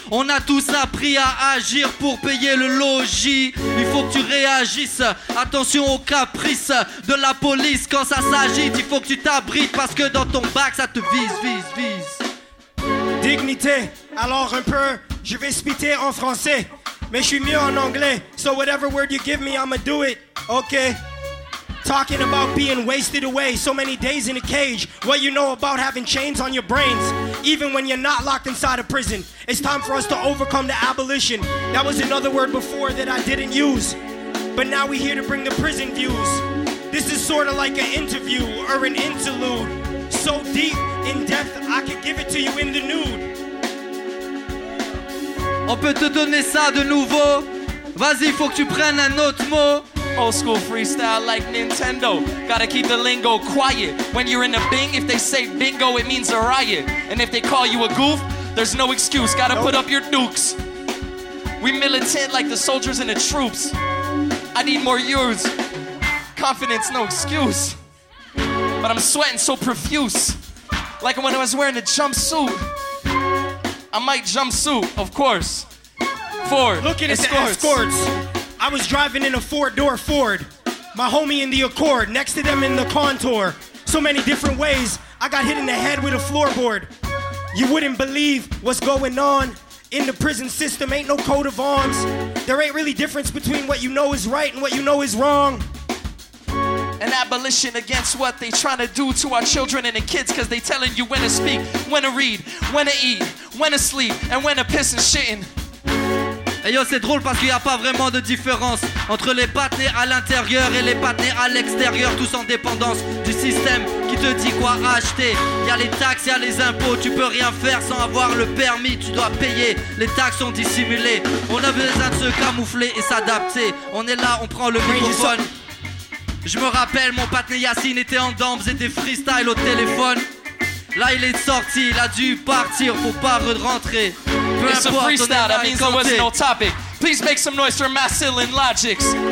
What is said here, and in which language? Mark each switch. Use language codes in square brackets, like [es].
[fr] On a tous appris à agir pour payer le logis. Il faut que tu réagisses. Attention aux caprices de la police. Quand ça s'agite, il faut que tu t'abrites. Parce que dans ton bac, ça te vise, vise, vise. Dignité. Alors un peu, je vais spitter en français. Mais je suis mieux en anglais. [en] So whatever word you give me, I'ma do it. Ok. Talking about being wasted away, so many days in a cage. What you know about having chains on your brains, even when you're not locked inside a prison. It's time for us to overcome the abolition. That was another word before that I didn't use. But now we're here to bring the prison views. This is sort of like an interview or an interlude. So deep in depth, I could give it to you in the nude. [fr] On peut te donner ça de nouveau. Vas-y, faut que tu prennes un autre mot. [en] Old school freestyle like Nintendo. Gotta keep the lingo quiet. When you're in a bing, if they say bingo, it means a riot. And if they call you a goof, there's no excuse. Gotta put up your dukes. We militant like the soldiers and the troops. I need more yours. Confidence, no excuse. But I'm sweating so profuse. Like when I was wearing a jumpsuit. I might jumpsuit, of course. Ford. Looking at escorts. The escorts. I was driving in a four-door Ford. My homie in the Accord, next to them in the Contour. So many different ways, I got hit in the head with a floorboard. You wouldn't believe what's going on. In the prison system, ain't no code of arms. There ain't really difference between what you know is right and what you know is wrong. An abolition against what they trying to do to our children and the kids, cause they telling you when to speak, when to read, when to eat, when to sleep, and when to piss and shitting. [fr] Hey yo, c'est drôle parce qu'il n'y a pas vraiment de différence entre les patnés à l'intérieur et les patnés à l'extérieur, tous en dépendance du système qui te dit quoi acheter. Il y a les taxes, il y a les impôts, tu peux rien faire sans avoir le permis, tu dois payer, les taxes sont dissimulées. On a besoin de se camoufler et s'adapter. On est là, on prend le microphone. Je me rappelle, mon patné Yacine était en dents, faisait des freestyles au téléphone. Là il est sorti, il a dû partir, faut pas rentrer. [en] It's a freestyle, that means there was no topic. Please make some noise for Massil and Logics.